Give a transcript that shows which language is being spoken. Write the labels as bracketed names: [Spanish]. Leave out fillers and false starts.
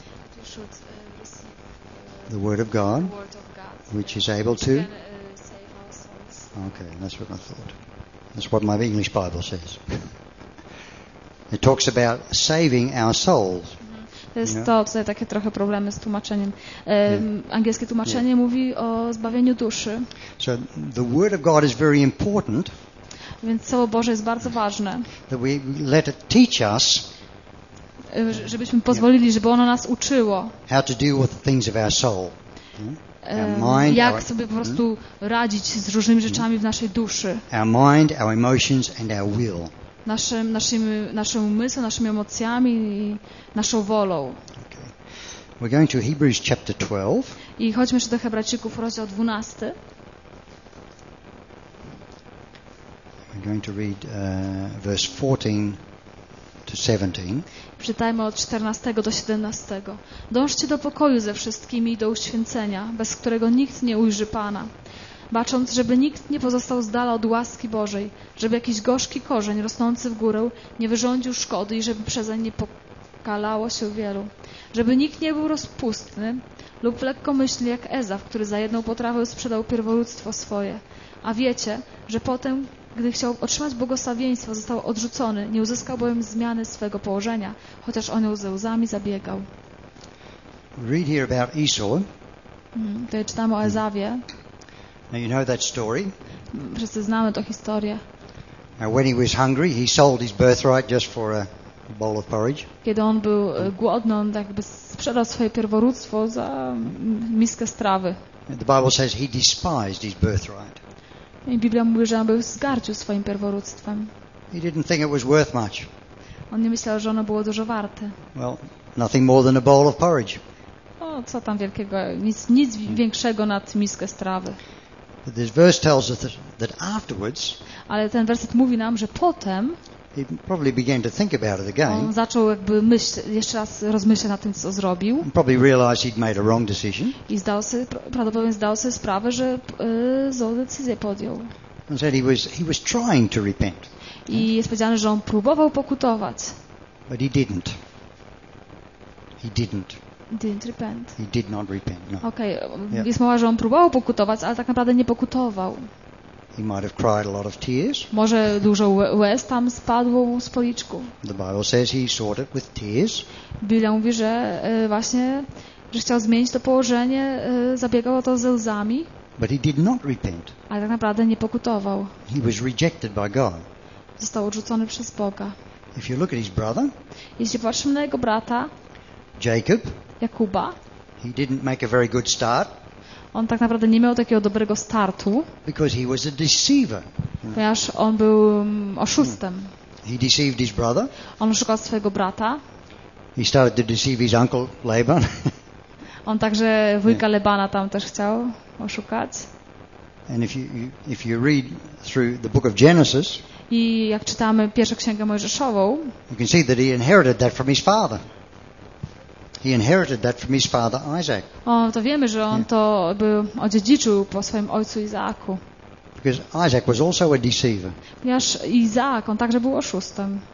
[English] That we should receive The word of God. The word of God. Which is able to? Save our souls. Okay, that's what I thought. That's what my English Bible says. It talks about saving our souls. [Polish] To jest to, tutaj takie trochę problemy z tłumaczeniem. Angielskie tłumaczenie mówi o zbawieniu duszy. [English] So the word of God is very important. [Polish] Więc Słowo Boże jest bardzo ważne. [English] That we let it teach us, [Polish] żebyśmy pozwolili, żeby ono nas uczyło. [English] How to deal with the things of our soul. Mind, [Polish] jak sobie po prostu radzić z różnymi rzeczami w naszej duszy. [English] Our mind, our emotions and our will. [Polish] Naszym umysłem, naszymi emocjami i naszą wolą. [English] Okay. We're going to Hebrews chapter 12. [Polish] I chodźmy jeszcze do Hebrajczyków, rozdział 12. [English] We're going to read verse 14 to 17. [Polish] Czytajmy od 14 do 17. Dążcie do pokoju ze wszystkimi i do uświęcenia, bez którego nikt nie ujrzy Pana. Bacząc, żeby nikt nie pozostał z dala od łaski Bożej, żeby jakiś gorzki korzeń rosnący w górę nie wyrządził szkody i żeby przezeń nie pokalało się wielu. Żeby nikt nie był rozpustny lub lekkomyślny jak Ezaw, który za jedną potrawę sprzedał pierworództwo swoje. A wiecie, że potem, gdy chciał otrzymać błogosławieństwo, został odrzucony, nie uzyskał bowiem zmiany swego położenia, chociaż o nią ze łzami zabiegał. [English] read here about Esau. [Polish] Tutaj czytamy o Ezawie. [English] Now you know that story. [Polish] Wszyscy znamy tę historię. [English] Now when he was hungry, he sold his birthright just for a bowl of porridge. [Polish] Kiedy on był głodny, on jakby sprzedał swoje pierworództwo za miskę strawy. [English] The Bible says he despised his birthright. [Polish] I Biblia mówi, że on był zgarcił swoim pierworództwem. [English] He didn't think it was worth much. [Polish] On nie myślał, że ono było dużo warte. [English] Well, nothing more than a bowl of porridge. [Polish] O, co tam wielkiego? Nic większego nad miskę strawy. [English] But this verse tells us that afterwards. [Polish] Ale ten werset mówi nam, że potem. [English] He probably began to think about it again. [Polish] On zaczął jakby jeszcze raz rozmyślać nad tym, co zrobił. [English] And probably realized he'd made a wrong decision. [Polish] I zdał sobie sprawę, że złą decyzję podjął. [English] And said he was trying to repent. [Polish] I jest powiedziane, że on próbował pokutować. [English] But he didn't. He didn't. Didn't repent. He did not repent. No. Okay. Yeah. [Polish] Jest mowa, że on próbował pokutować, ale tak naprawdę nie pokutował. [English] He might have cried a lot of tears. [Polish] Może dużo łez tam spadło z policzku. [English] The Bible says he sought it with tears. [Polish] Biblia mówi, że właśnie, że chciał zmienić to położenie, zabiegał o to ze łzami. [English] But he did not repent. [Polish] Ale tak naprawdę nie pokutował. [English] He was rejected by God. [Polish] Został odrzucony przez Boga. [English] If you look at his brother, [Polish] jeśli patrzymy na jego brata, [English] Jacob, [Polish] Jakuba, [English] he didn't make a very good start. [Polish] On tak naprawdę nie miał takiego dobrego startu, [English] because he was a deceiver. [Polish] Ponieważ on był oszustem. [English] He deceived his brother. [Polish] On oszukał swojego brata. [English] He started to deceive his uncle Laban. [Polish] On także wujka Labana tam też chciał oszukać. [English] And if you read through the book of Genesis, [Polish] i jak czytamy pierwszą księgę Mojżeszową, [English] you can see that he inherited that from his father. He inherited that from his father Isaac. [Polish] O, to wiemy, że on to był odziedziczył po swoim ojcu Izaaku. [English] Because Isaac was also a deceiver. [Polish] Ponieważ Izaak, on także był oszustem.